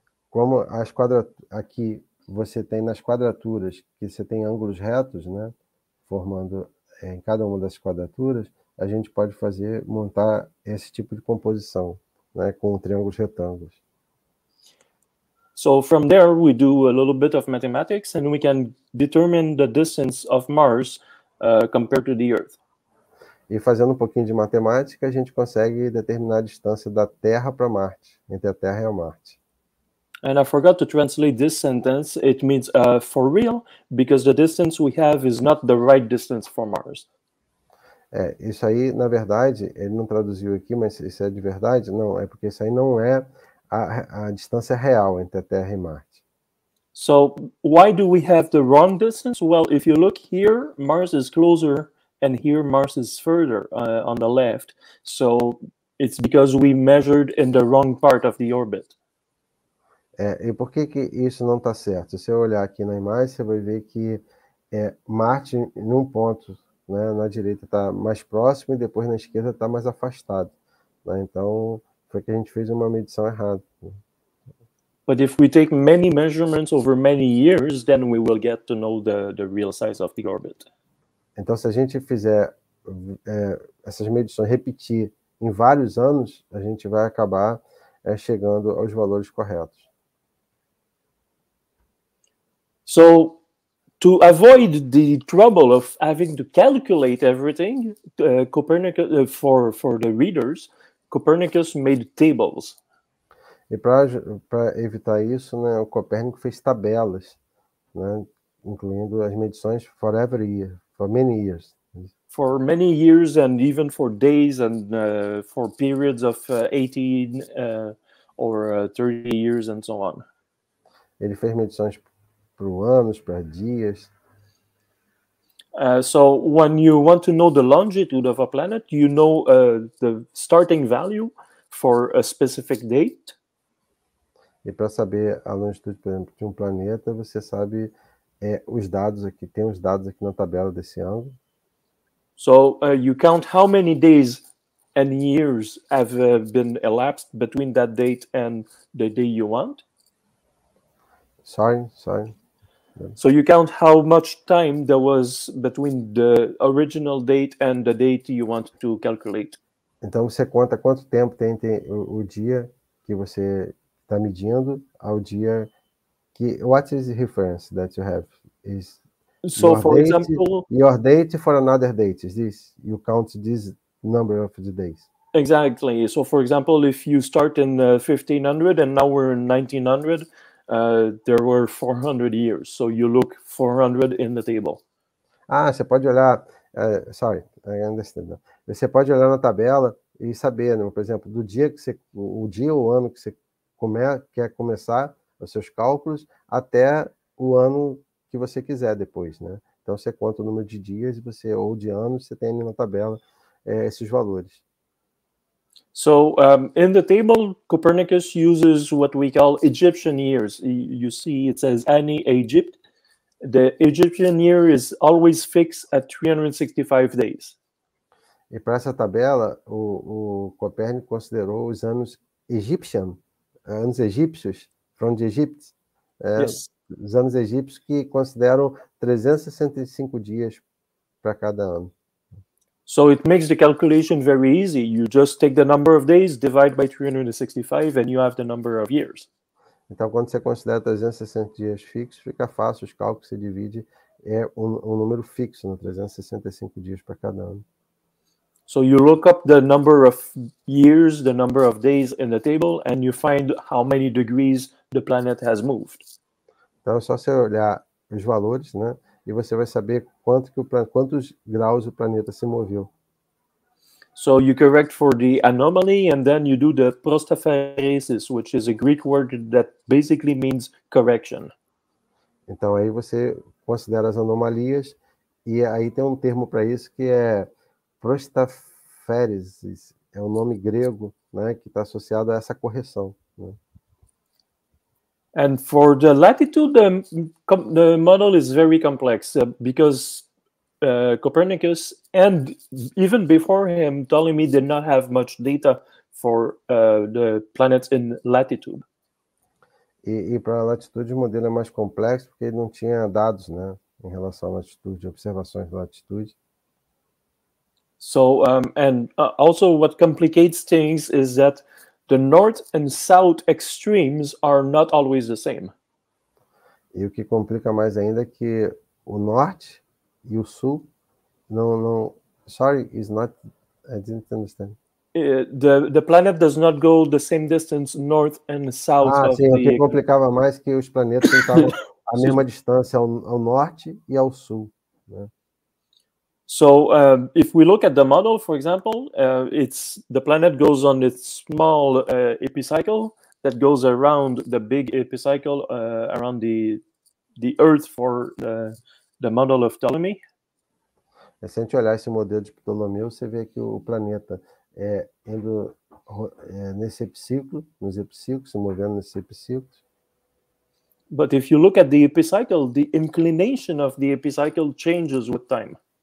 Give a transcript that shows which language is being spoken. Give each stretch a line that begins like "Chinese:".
Portuguese: Como as aqui você tem nas quadraturas, que você tem ângulos retos, né, formando em cada uma das quadraturas, a gente pode fazer, montar esse tipo de composição, né, com triângulos retângulos.
English: So from there we do a little bit of mathematics and we can determine the distance of Mars compared to the Earth.
Portuguese: E fazendo um pouquinho de matemática, a gente consegue determinar a distância da Terra para Marte, entre a Terra e a Marte.
English: And I forgot to translate this sentence, it means for real, because the distance we have is not the right distance for Mars.
Portuguese: É, isso aí, na verdade, ele não traduziu aqui, mas isso é de verdade? Não, é porque isso aí não é a distância real entre a Terra e Marte.
English: So, why do we have the wrong distance? Well, if you look here, Mars is closer, and here Mars is further on the left. So, it's because we measured in the wrong part of the orbit.
Portuguese: É, e por que que isso não está certo? Se eu olhar aqui na imagem, você vai ver que é, Marte, num ponto, né, na direita está mais próximo e depois na esquerda está mais afastado, né? Então foi que a gente fez uma medição errada.
English: But if we take many measurements over many years, then we will get to know the real size of the orbit.
Portuguese: Então se a gente fizer essas medições repetir em vários anos, a gente vai acabar chegando aos valores corretos.
English: So, to avoid the trouble of having to calculate everything, Copernicus, for the readers, Copernicus made tables.
Portuguese: E para evitar isso, né, o Copérnico fez tabelas, né, incluindo as medições
English: for every year, for many years. For many years and even for days and for periods of 18 or 30 years and so on.
Portuguese: Ele fez medições para anos, para dias.
English: So when you want to know the longitude of a planet, you know the starting value for a specific date.
Portuguese: E para saber a longitude, por exemplo, de planeta, você sabe os dados aqui, tem os dados aqui na tabela desse ângulo.
English: So you count how many days and years have been elapsed between that date and the day you want? Sorry. So you count how much time there was between the original date and the date you want to calculate.
Portuguese: Então você conta quanto tempo tem entre o dia que você está medindo ao dia que...
English: What is the reference that you have? Is so, for example, your date for another date is this. You count this number of the days. Exactly. So, for example, if you start in 1500 and now we're in 1900, there were 400 years. So you look 400 in the table.
Portuguese: Ah, você pode olhar.
English: Sorry, I understand.
Portuguese: Você pode olhar na tabela e saber, né, por exemplo, do dia que você, o dia ou ano que você quer começar os seus cálculos até o ano que você quiser depois, né? Então você conta o número de dias e você ou de anos, você tem ali na tabela esses valores.
English: So, in the table, Copernicus uses what we call Egyptian years. You see, it says any Egypt. The Egyptian year is always fixed at 365 days.
Portuguese: E para essa tabela, o Copérnico considerou os anos egípcios,
English: from the Egypt. Yes.
Portuguese: Os anos egípcios que consideram 365 dias para cada ano.
English: So it makes the calculation very easy. You just take the number of days, divide by 365, and you have the number of years.
Portuguese: Então, quando você considera 360 dias fixos, fica fácil os cálculos, se divide, um número fixo, né? 365 dias para cada ano.
English: So you look up the number of years, the number of days in the table, and you find how many degrees the planet has moved.
Portuguese: Então é só você olhar os valores, né? E você vai saber quantos graus o planeta se moveu.
English: So you correct for the anomaly and then you do the prostaphoresis, which is a Greek word that basically means correction.
Portuguese: Então aí você considera as anomalias e aí tem um termo para isso que é prostaphoresis, é um nome grego, né, que está associado a essa correção, né?
English: And for the latitude, the model is very complex because Copernicus and even before him, Ptolemy did not have much data for the planets in latitude.
Portuguese: E para a latitude, o modelo é mais complexo porque ele não tinha dados, né, em relação à latitude, observações de latitude.
English: So, and also what complicates things is that the north and south extremes are not always the same.
Portuguese: E o que complica mais ainda é que o norte e o sul não.
English: Sorry, is not. I didn't understand. The planet does not go the same distance north and south.
Portuguese: Ah, sim. O que complicava mais que os planetas estavam a mesma distância ao norte e ao sul, né?
English: So, if we look at the model, for example, it's the planet goes on its small epicycle that goes around the big epicycle around the Earth for the model of Ptolemy.
Portuguese: Se a gente olhar esse modelo de Ptolomeu, você vê que o planeta é indo nesse epiciclo, nos epiciclos, se movendo nesse epiciclo.
English: But if you look at the epicycle, the inclination of the epicycle changes with time.